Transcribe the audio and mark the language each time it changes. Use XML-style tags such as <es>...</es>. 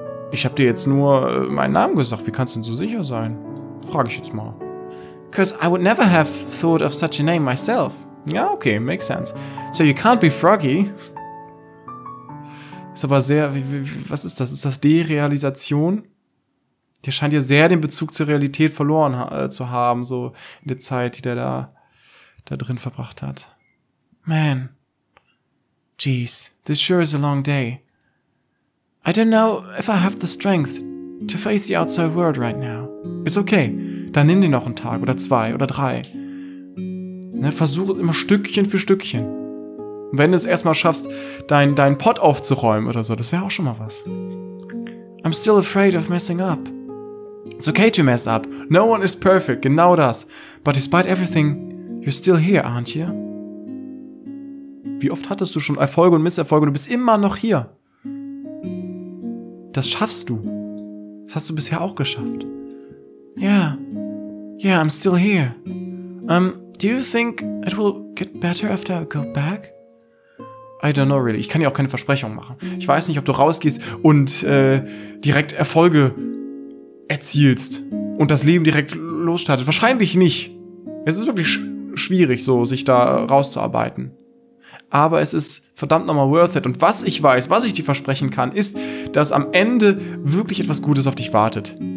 <de>Ich hab dir jetzt nur meinen Namen gesagt. Wie kannst du denn so sicher sein? Frage ich jetzt mal.</de> <en>Because I would never have thought of such a name myself. Ja, okay, makes sense. So you can't be Froggy.</en> <de>Ist aber sehr... Was ist das? Ist das Derealisation? Der scheint ja sehr den Bezug zur Realität verloren zu haben, so in der Zeit, die der da drin verbracht hat.</de> <en>Man. Jeez, this sure is a long day. I don't know if I have the strength to face the outside world right now.</en> <de>Ist okay. Dann nimm dir noch einen Tag oder zwei oder drei. Ne, versuch es immer Stückchen für Stückchen. Und wenn du es erstmal schaffst, deinen Pott aufzuräumen oder so, das wäre auch schon mal was.</de> <en>I'm still afraid of messing up. It's okay to mess up. No one is perfect.</en> <de>Genau das.</de> <en>But despite everything, you're still here, aren't you?</en> <de>Wie oft hattest du schon Erfolge und Misserfolge? Du bist immer noch hier. Das schaffst du. Das hast du bisher auch geschafft.</de> <en>Yeah, I'm still here. Do you think it will get better after I go back? I don't know really.</en> <de>Ich kann dir auch keine Versprechungen machen. Ich weiß nicht, ob du rausgehst und direkt Erfolge erzielst und das Leben direkt losstartet. Wahrscheinlich nicht. Es ist wirklich schwierig, so sich da rauszuarbeiten. Aber es ist verdammt nochmal</de> <en>worth it.</en> <de>Und was ich weiß, was ich dir versprechen kann, ist, dass am Ende wirklich etwas Gutes auf dich wartet.</de>